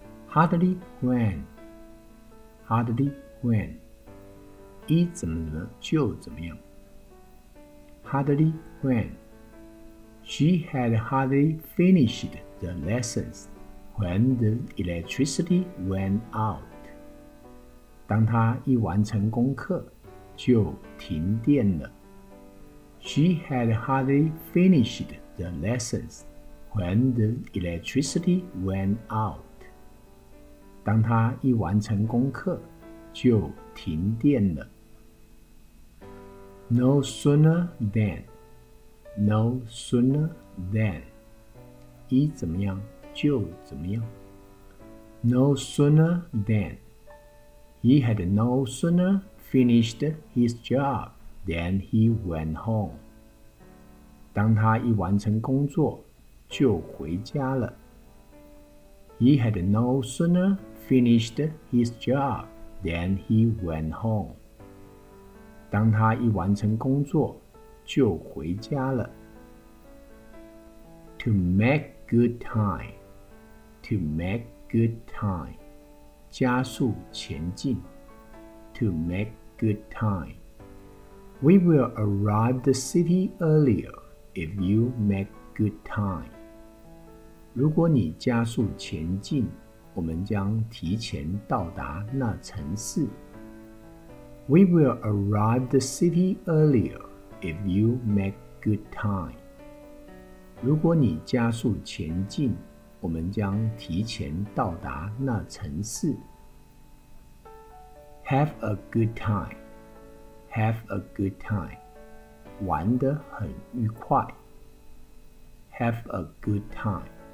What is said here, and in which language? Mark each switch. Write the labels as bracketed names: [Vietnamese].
[English] Hardly when Hardly when [Chinese] 一怎么怎么就怎么样 [English] Hardly when She had hardly finished the lessons when the electricity went out [Chinese] 当他一完成功课就停电了 [English] She had hardly finished the lessons when the electricity went out. [Chinese] 当她一完成功课就停电了。 [English] No sooner than. No sooner than. [Chinese] 一怎么样就怎么样。 [English] No sooner than. He had no sooner finished his job. Then he went home. [Chinese] 当他一完成工作就回家了。 [English] He had no sooner finished his job than he went home. [Chinese] 当他一完成工作就回家了。 [English] To make good time. To make good time. [Chinese] 加速前进。 [English] To make good time. We will arrive the city earlier if you make good time. [Chinese] 如果你加速前进，我们将提前到达那城市。 [English] We will arrive the city earlier if you make good time. [Chinese] 如果你加速前进，我们将提前到达那城市。 [English] Have a good time. Have a good time. [Chinese] 玩得很愉快。 [English] Have a good time.